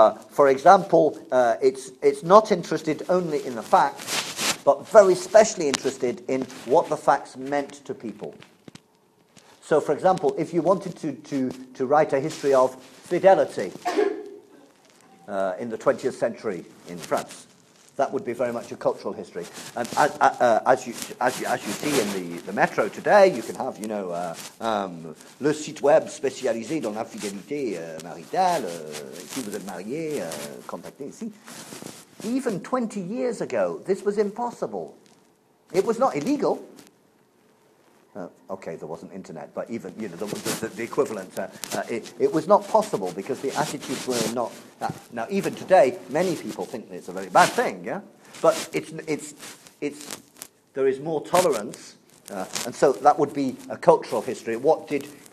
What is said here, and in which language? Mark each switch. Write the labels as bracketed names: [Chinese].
[English] For example, it's not interested only in the facts, but very specially interested in what the facts meant to people. So, for example, if you wanted to write a history of fidelity in the 20th century in France, that would be very much a cultural history. And as you see in the metro today, you can have, you know, [French] le site web spécialisé dans la fidélité maritale, si vous êtes marié, contactez ici. [English] Even 20 years ago, this was impossible. It was not illegal. There wasn't internet, but even, you know, the equivalent, it was not possible because the attitudes were not... Now, even today, many people think it's a very bad thing, yeah? But it's there is more tolerance, and so that would be a cultural history. What did...